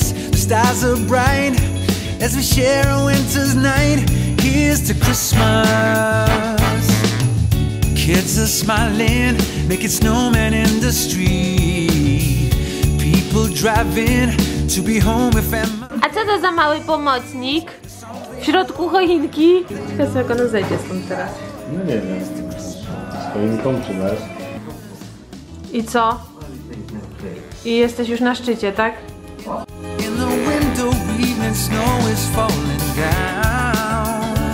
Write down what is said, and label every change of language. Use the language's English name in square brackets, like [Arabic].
[English] The stars are bright as we share a winter's night. Here's to Christmas. Kids are smiling, making snowmen in the street. People driving to be home with them. [Polish] A co to za mały pomocnik w środku choinki? Ciekawe, jak ona zejdzie stąd teraz. No nie wiem. Z choinką czy bez? I co? I jesteś już na szczycie, tak? [English] In the window, even snow is falling down.